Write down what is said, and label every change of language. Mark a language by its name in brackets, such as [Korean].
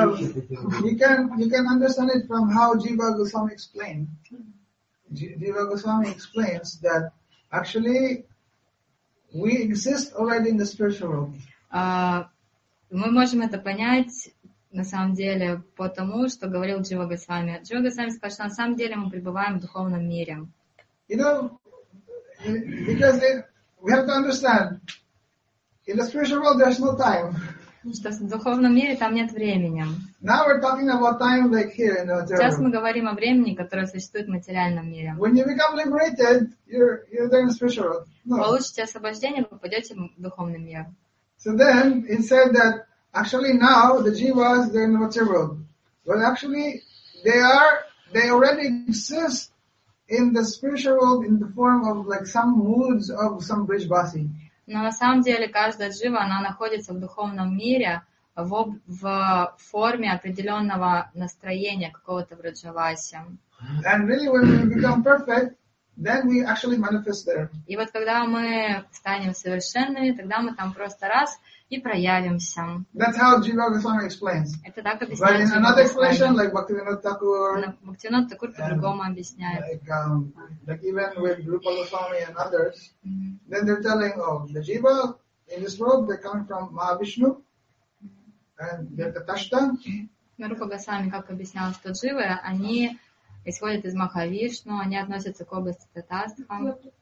[English] You can understand it from how Jiva Goswami explained. Jiva Goswami explains that actually we exist already in the spiritual world. [Russian] Мы можем это понять на самом деле, потому что говорил Джива Госвами. Джива Госвами сказал, что на самом деле мы пребываем в духовном мире. [English] You know, because we have to understand, in the spiritual world there's no time. [Russian] Что в духовном мире там нет времени. [English] Now we're talking about time like here in the material. [Russian] Сейчас мы говорим о времени, которое существует в материальном мире. [English] When you become liberated, you're there in the spiritual world. No. [Russian] Получите освобождение, вы попадете в духовный мир. [English] So then, it said that actually now the jivas, they're in the material world. But actually they already exist in the spiritual world in the form of like some moods of some Brijbasi. [Russian] Но на самом деле каждая джива, она находится в духовном мире в форме определенного настроения какого-то Брижаваси. [English] And really when we become perfect, Then we actually manifest there. [Russian] И вот когда мы станем совершенными, тогда мы там просто раз и проявимся. [English] That's how Jiva Goswami explains. [Russian] Это так объясняет. [English] But in another explanation, like Bhaktivinoda Thakur. [Russian] Бхактивинода Такур по-другому объясняет. [English] Like even with Rupa Goswami and others, then they're telling, oh, the Jiva in this world, they come from Mahavishnu and they're Tathashta. [Russian] На Рупа Госвами, как объяснял, что дживы, они исходят из Махавишну, они относятся к области Татастхам.